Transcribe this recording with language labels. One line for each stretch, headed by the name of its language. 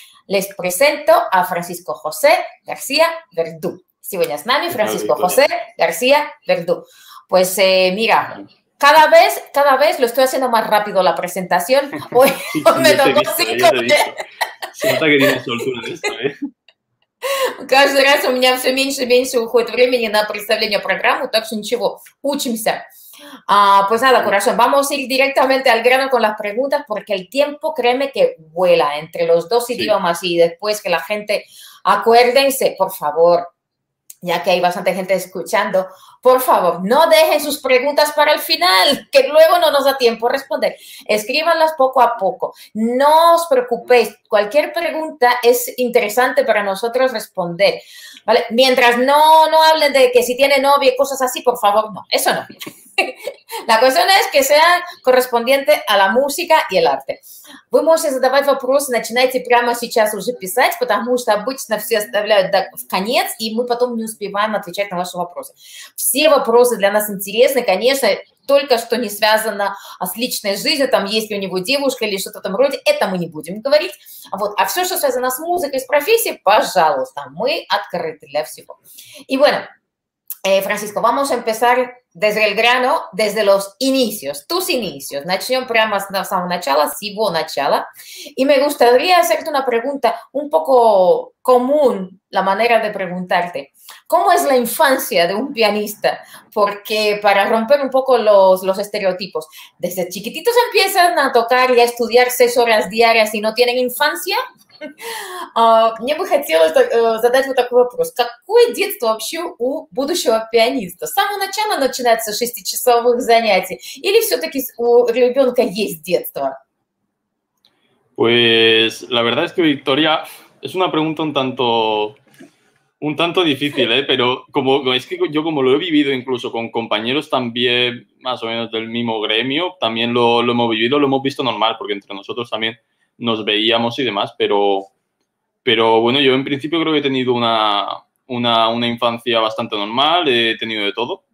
Spanish: Les presento a Francisco José García Verdú. Sí, buenas noches, Francisco José García Verdú. Pues mira, cada vez lo estoy haciendo más rápido la presentación. Hoy me tocó cinco. Siento que tienes soltura de esto,
Russian: Каждый раз у меня все меньше и меньше уходит времени на представление программы, так что ничего, учимся.
Spanish: Pues nada, corazón, vamos a ir directamente al grano con las preguntas porque el tiempo, créeme que vuela entre los dos idiomas y después que la gente, acuérdense, por favor, ya que hay bastante gente escuchando, por favor, no dejen sus preguntas para el final, que luego no nos da tiempo a responder. Escríbanlas poco a poco. No os preocupéis, cualquier pregunta es interesante para nosotros responder, ¿vale? Mientras no hablen de que si tiene novia y cosas así, por favor, no, eso no. La cuestión es que sea correspondiente a la música y el arte.
Russian: Вы можете задавать вопросы, начинайте прямо сейчас уже писать, потому что обычно все оставляют в конец, и мы потом не успеваем отвечать на ваши вопросы. Все вопросы для нас интересны, конечно, только что не связано с личной жизнью, там есть ли у него девушка или что-то там вроде, это мы не будем говорить. Вот. А все, что связано с музыкой, с профессией, пожалуйста, мы открыты для всего. И
Spanish: bueno, Francisco, vamos a empezar desde el grano, desde los inicios, tus inicios.
Russian: Начнем прямо с самого начала, с его начала.
Spanish: Y me gustaría hacerte una pregunta un poco común, la manera de preguntarte. ¿Cómo es la infancia de un pianista? Porque para romper un poco los estereotipos, ¿desde chiquititos empiezan a tocar y a estudiar 6 horas diarias y no tienen infancia?
Russian: Мне бы хотелось задать вот такой вопрос. Какое детство вообще у будущего пианиста? С самого начала начинается 6-часовых занятий? Или все-таки у ребенка есть детство?
Spanish: Pues la verdad es que, Victoria, es una pregunta un tanto difícil, pero como es que yo como lo he vivido incluso con compañeros también más o menos del mismo gremio, también lo hemos vivido, lo hemos visto normal, porque entre nosotros también nos veíamos y demás, pero bueno, yo en principio creo que he tenido una infancia bastante normal, he tenido de todo.